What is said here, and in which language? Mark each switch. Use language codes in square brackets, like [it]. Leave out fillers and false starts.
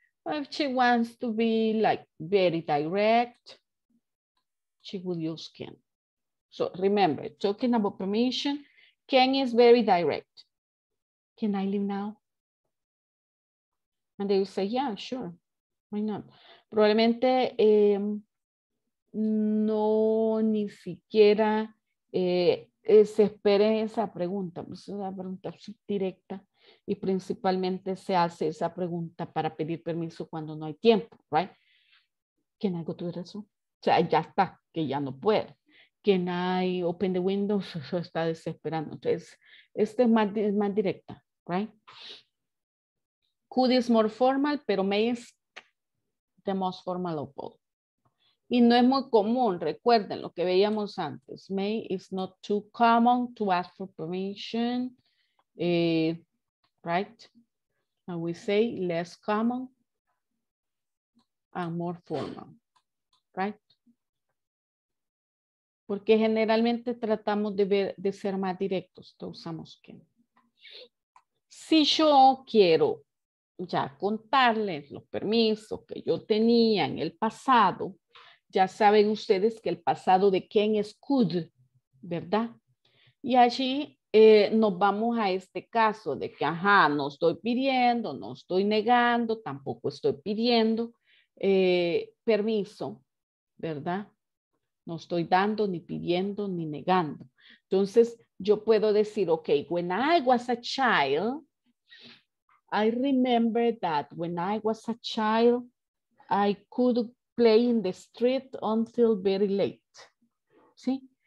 [en] Or if she wants to be like very direct, she will use can. So remember, talking about permission, can is very direct. Can I leave now? And they will say, yeah, sure, why not? [es] Probablemente no ni siquiera se espere esa pregunta. Es una pregunta directa y principalmente se hace esa pregunta para pedir permiso cuando no hay tiempo, [en] right? Can I go to the restroom? [es] O sea, ya está, que ya no puede. [en] Can I open the windows? [es] Eso está desesperando. Entonces, este es más directa, right? [en] Could is more formal, pero may is the most formal of all. [es] Y no es muy común, recuerden lo que veíamos antes. [en] May is not too common to ask for permission, right? And we say less common and more formal, right? [es] Porque generalmente tratamos de, ver, de ser más directos, entonces usamos que. Si yo quiero ya contarles los permisos que yo tenía en el pasado, ya saben ustedes que el pasado de Ken es could, ¿verdad? Y allí nos vamos a este caso de que, ajá, no estoy pidiendo, no estoy negando, tampoco estoy pidiendo permiso, ¿verdad? No estoy dando, ni pidiendo, ni negando. Entonces, yo puedo decir, [en] ok, when I was a child, I remember that when I was a child, I could play in the street until very late. [es] ¿Sí?